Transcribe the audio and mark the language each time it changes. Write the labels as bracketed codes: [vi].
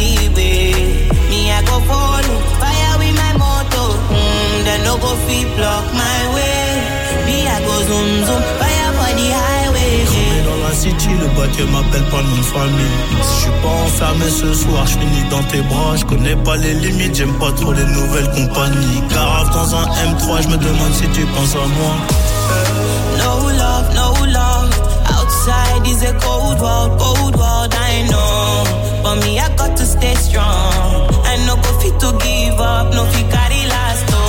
[pcm] Me I go follow, fire with my motto. Then no go fit block my way. [fr] Cramé dans la city, le bâtiment m'appelle pas mon famille. Si je suis pas enfermé ce soir, je finis dans tes bras. Je connais pas les limites, j'aime pas trop les nouvelles compagnies. Carave dans un M3, je me demande si tu penses à moi. [pcm] No love, no love. Outside is a cold world, I know. But me, I got to stay strong. And no go fit to give up, no fit carry last.